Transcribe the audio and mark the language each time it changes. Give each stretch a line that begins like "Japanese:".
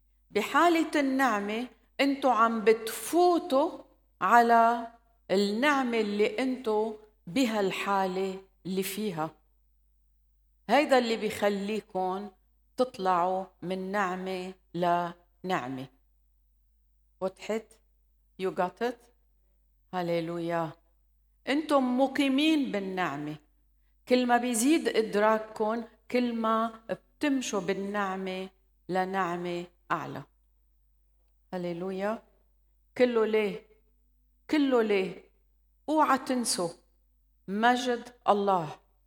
Arabic: بحالة النعمة أنتوا عم بتفوتوا على النعمة اللي أنتوا بها الحالة اللي فيها، هيدا اللي بيخليكم تطلعوا من نعمة لنعمة. وضحت؟
English: You got it؟ هاليلويا.
Arabic: أنتم مقيمين بالنعمة، كل ما بيزيد إدراككم كل ما بتمشوا بالنعمة لنعمة أعلى. هاليلويا. كله ليه؟ كله ليه؟ اوعى تنسوا مجد الله.